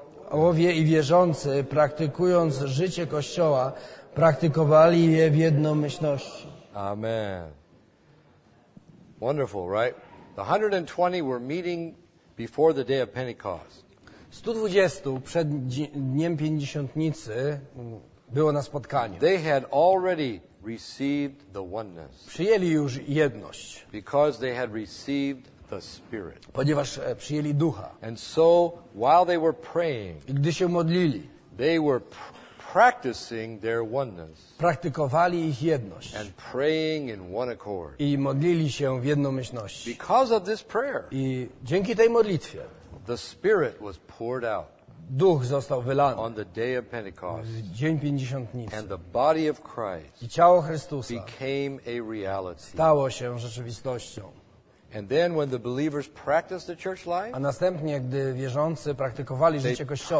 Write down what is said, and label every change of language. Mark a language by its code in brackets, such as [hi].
[pl] Owie i wierzący, praktykując życie Kościoła, praktykowali je w jednomyślności. [en] Amen. Wonderful, right? The 120 were meeting before the day of Pentecost. [pl] 120 przed dniem Pięćdziesiątnicy było na spotkaniu. [en] They had already received the oneness. [pl] Przyjęli już jedność. [en] Because they had received the Spirit. [pl] Ponieważ przyjęli Ducha. [en] And so while they were praying, [pl] i gdy się modlili, [en] they were practicing their oneness. [pl] Praktykowali ich jedność. [en] And praying in one accord. [pl] I modlili się w jednomyślności. [en] Because of this prayer, [pl] i dzięki tej modlitwie, [en] the Spirit was poured out. [pl] Duch został wylany [en] on the day of Pentecost, [pl] w dzień Pięćdziesiątnicy. [en] And the body of Christ, [pl] i ciało Chrystusa, [en] became a reality. [pl] Stało się rzeczywistością. [en] And then when the believers practiced the church life, [pl] a następnie, gdy wierzący praktykowali życie Kościoła,